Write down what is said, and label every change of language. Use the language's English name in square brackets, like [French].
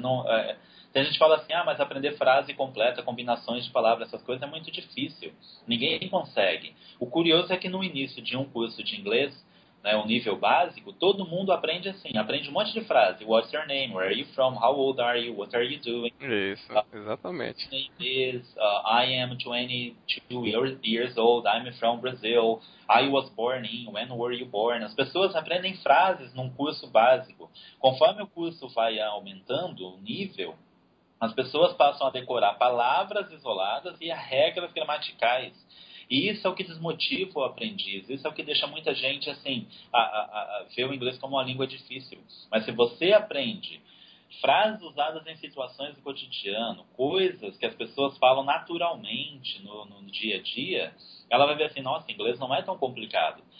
[Portuguese] Não, tem gente que fala assim, ah, mas aprender frase completa, combinações de palavras, essas coisas, é muito difícil. Ninguém consegue. O curioso é que no início de um curso de inglês, né, o nível básico, todo mundo aprende assim, aprende um monte de frase. [English] What's your name? Where are you from? How old are you? What are you doing? [Portuguese] Isso, exatamente. [English] My name is, I am 22 years old, I'm from Brazil, I was born in, when were you born? [Portuguese] As pessoas aprendem frases num curso básico. Conforme o curso vai aumentando o nível, as pessoas passam a decorar palavras isoladas e as regras gramaticais. E isso é o que desmotiva o aprendiz, isso é o que deixa muita gente assim, a ver o inglês como uma língua difícil. Mas se você aprende frases usadas em situações do cotidiano, coisas que as pessoas falam naturalmente no dia a dia, ela vai ver assim, nossa, inglês não é tão complicado.